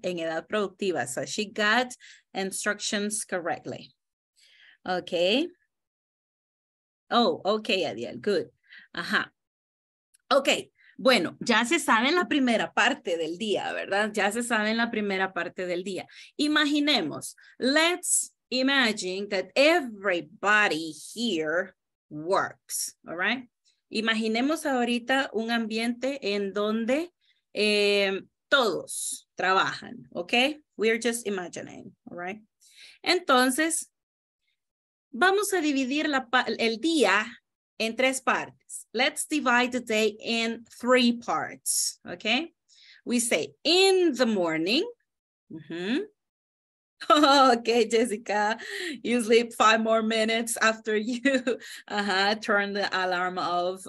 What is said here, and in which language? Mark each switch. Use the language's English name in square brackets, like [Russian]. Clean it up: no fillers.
[Spanish] En edad productiva. [English] So she got instructions correctly. Okay. Oh, okay, Adiel. Good. Ajá. Okay. [Spanish] Bueno, ya se sabe en la primera parte del día, ¿verdad? Ya se sabe en la primera parte del día. [English] Imaginemos, let's imagine that everybody here works, all right? [Spanish] Imaginemos ahorita un ambiente en donde todos trabajan, ¿ok? [English] We're just imagining, all right? [Spanish] Entonces, vamos a dividir el día en tres partes. [English] Let's divide the day in three parts, okay? We say in the morning. Mm-hmm. Okay, Jessica, you sleep 5 more minutes after you turn the alarm off.